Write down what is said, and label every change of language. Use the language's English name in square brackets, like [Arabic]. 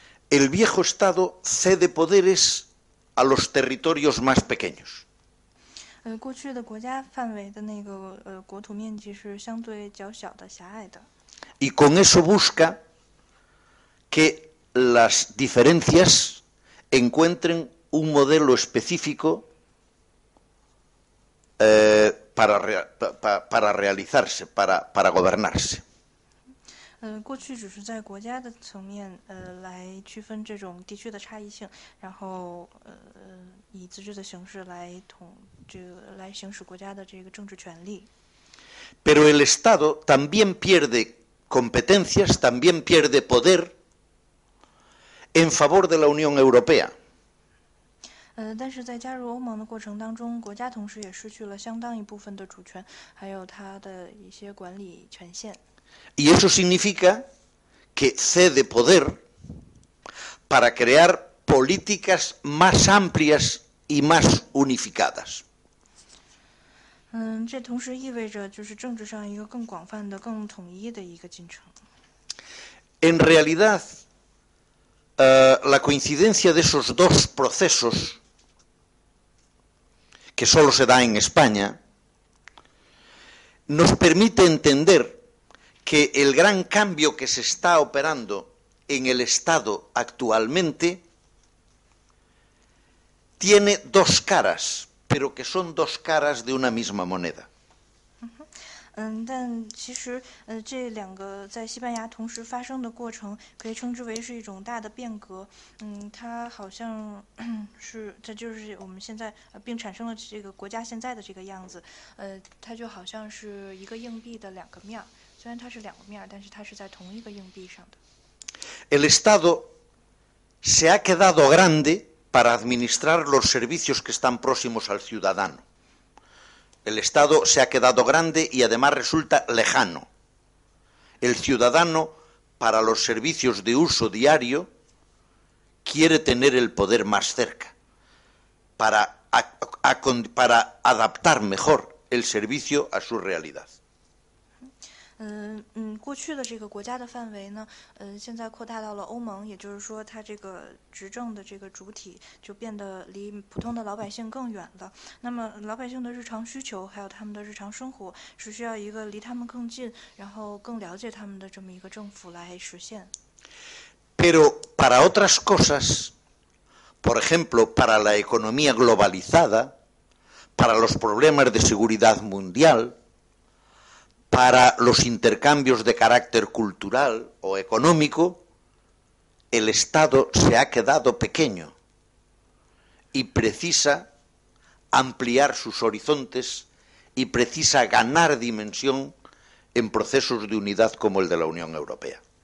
[Spanish] El viejo Estado cede poderes a los territorios más pequeños. [Chinese] 过去的国家范围的那个国土面积是相对较小的狭隘的。 [Spanish] Y con eso busca que las diferencias encuentren un modelo específico para realizarse, para gobernarse. [Chinese] 过去只是在国家的层面来区分这种地区的差异性，然后以自治的形式来统这来行使国家的这个政治权利。 [Spanish] Pero el Estado también pierde competencias, también pierde poder en favor de la Unión Europea. [Chinese] 但是在加入欧盟的过程当中，国家同时也失去了相当一部分的主权，还有它的一些管理权限。 [Spanish] Y eso significa que cede poder para crear políticas más amplias y más unificadas. [Chinese] 这同时意味着就是政治上一个更广泛的、更统一的一个进程。 [Spanish] En realidad, la coincidencia de esos dos procesos, que solo se da en España, nos permite entender que el gran cambio que se está operando en el Estado actualmente tiene dos caras, pero que son dos caras de una misma moneda. [Chinese] 但其实这两个在西班牙同时发生的过程可以称之为是一种大的变革。它好像是它就是我们现在并产生了这个国家现在的这个样子。它就好像是一个硬币的两个面，虽然它是两个面，但是它是在同一个硬币上的。 [Spanish] El Estado se ha quedado grande para administrar los servicios que están próximos al ciudadano. El Estado se ha quedado grande y además resulta lejano. El ciudadano, para los servicios de uso diario, quiere tener el poder más cerca para adaptar mejor el servicio a su realidad. [Chinese] 过去的这个国家的范围呢，现在扩大到了欧盟，也就是说，它这个执政的这个主体就变得离普通的老百姓更远了。那么，老百姓的日常需求还有他们的日常生活，是需要一个离他们更近，然后更了解他们的这么一个政府来实现。 [Spanish] Pero para otras cosas, por ejemplo, para la economía globalizada, para los problemas de seguridad mundial. Para los intercambios de carácter cultural o económico, el Estado se ha quedado pequeño y precisa ampliar sus horizontes y precisa ganar dimensión en procesos de unidad como el de la Unión Europea.